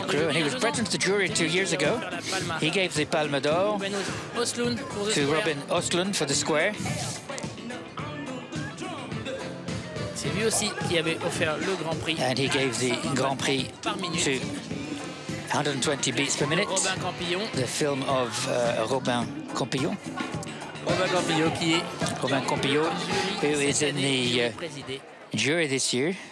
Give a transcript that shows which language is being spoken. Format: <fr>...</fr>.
<en>the crew, and he was president of the jury 2 years ago. He gave the Palme d'Or to Robin Östlund for the Square.</en> <fr>C'est lui aussi qui avait offert le Grand Prix.</fr> <en>And he gave the Grand Prix to 120 beats per minute.</en> <fr>Robin Campillon.</fr> <en>The film of Robin Campillon.</en> <fr>Robin Campillon qui est</fr> <en>Robin Campillon, who is in the jury this year.</en>